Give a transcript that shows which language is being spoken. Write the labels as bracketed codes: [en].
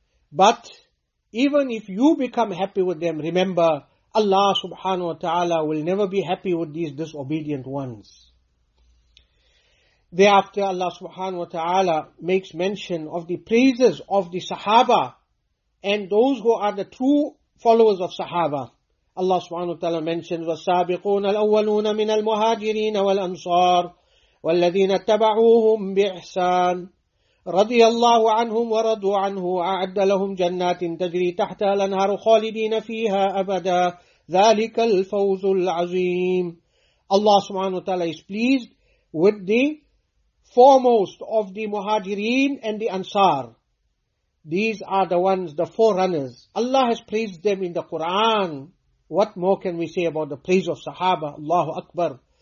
[en] But even if you become happy with them, remember, Allah subhanahu wa ta'ala will never be happy with these disobedient ones. Thereafter, Allah subhanahu wa ta'ala makes mention of the praises of the Sahaba and those who are the true followers of Sahaba. Allah subhanahu wa ta'ala mentions, [ar] وَالسَّابِقُونَ الْأَوَّلُونَ مِنَ الْمُهَاجِرِينَ وَالْأَنصَارِ وَالَّذِينَ اتَّبَعُوهُمْ بِإِحْسَانٍ رَضِيَ اللَّهُ عَنْهُمْ وَرَضُوا عَنْهُ أَعَدَّ لَهُمْ جَنَّاتٍ تَجْرِي تَحْتَهَا الْأَنْهَارُ خَالِدِينَ فِيهَا أَبَدًا ذَلِكَ الْفَوْزُ الْعَظِيمُ. [en] Allah subhanahu wa ta'ala is pleased with the foremost of the Muhajireen and the Ansar. These are the ones, the forerunners. Allah has praised them in the Quran. What more can we say about the praise of Sahaba? Allahu Akbar.